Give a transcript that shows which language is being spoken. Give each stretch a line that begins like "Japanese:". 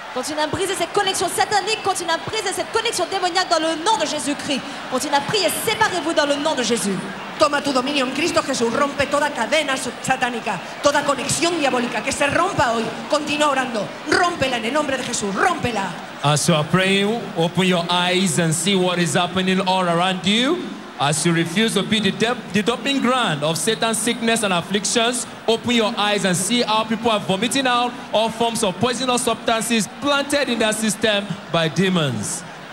French: Continue à briser cette connexion satanique, continue à briser cette connexion démoniaque dans le nom de Jésus-Christ. Continue à prier, séparez-vous dans le nom de Jésus.
Spanish: Toma tu dominio en Cristo Jesús, rompe toda cadena satánica, toda conexión diabólica que se rompa hoy. Continúa orando, rompela en el nombre de Jesús, rompela.
English: As you are praying, open your eyes and see what is happening all around you. As you refuse to be the dumping ground of Satan's sickness and afflictions, open your eyes and see how people are vomiting out all forms of poisonous substances planted in their system by demons.